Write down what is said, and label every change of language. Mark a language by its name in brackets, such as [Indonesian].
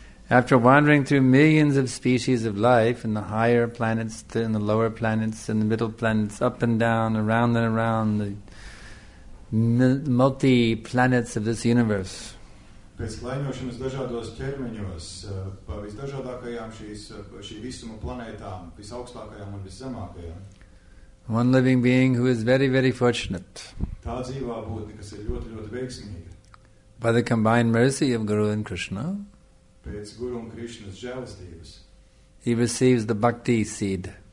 [English] After wandering through millions of species of life in the higher planets, in the lower planets, in the middle planets, up and around the multi planets of this universe. [Latvian] Pēc klaiņošanas dažādos ķermeņos, pa visdažādākajām šī visuma planētām, visaugstākajām un viszemākajām. [English] One living being who is very, very fortunate. [Latvian] Tā dzīvā būtne, kas ir ļoti, ļoti veiksmīga. [English] By the combined mercy of Guru and Krishna, [Latvian] pēc Guru un Krishnas žēlstības, [English] he receives the bhakti seed.